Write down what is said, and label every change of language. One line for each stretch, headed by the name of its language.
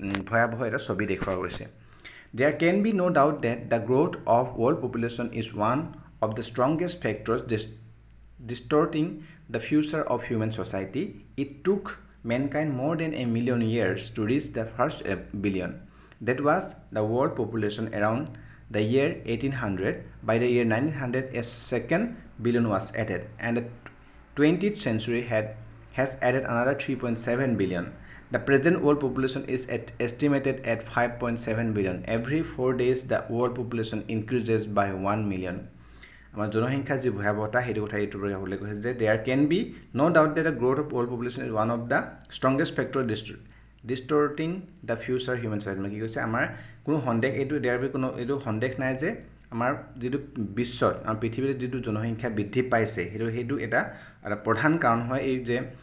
Assamese: ভয়াৱহ এটা ছবি দেখুওৱা গৈছে
English: There can be no' doubt that the growth of world population is one of the strongest factors distorting the future of human society it took mankind more than a million years to reach the first billion. That was the world population around the year 1800. By the year 1900, a second billion was added. And the 20th century has added another 3.7 billion. The present world population is estimated at 5.7 billion. Every 4 days, the world population increases by 1 million.
Assamese: আমাৰ জনসংখ্যা যি ভয়াৱহতা সেইটো কথা এইটোৰ পৰা উল্লেখ কৰিছে যে
English: there can be no' doubt that the growth of world population is one of the strongest factor distorting the future human society
Assamese: মানে কি কৈছে আমাৰ কোনো সন্দেহ এইটো দেয়াৰ বি কোনো এইটো সন্দেহ নাই যে আমাৰ যিটো বিশ্বত আমাৰ পৃথিৱীত যিটো জনসংখ্যা বৃদ্ধি পাইছে সেইটো সেইটো এটা প্ৰধান কাৰণ হয় এই যে